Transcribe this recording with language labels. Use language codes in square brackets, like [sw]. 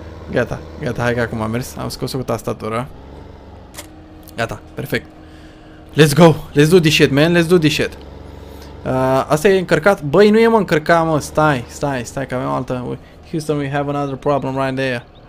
[ro] Gata, hai că acum am mers, am scos-o cu tastatura. Gata, perfect. [en] Let's go, let's do this shit, man, let's do this shit. [ro] Asta e încărcat? Băi, nu e mă încărcat, mă, stai, că avem altă... [en] Houston, we have another problem right there.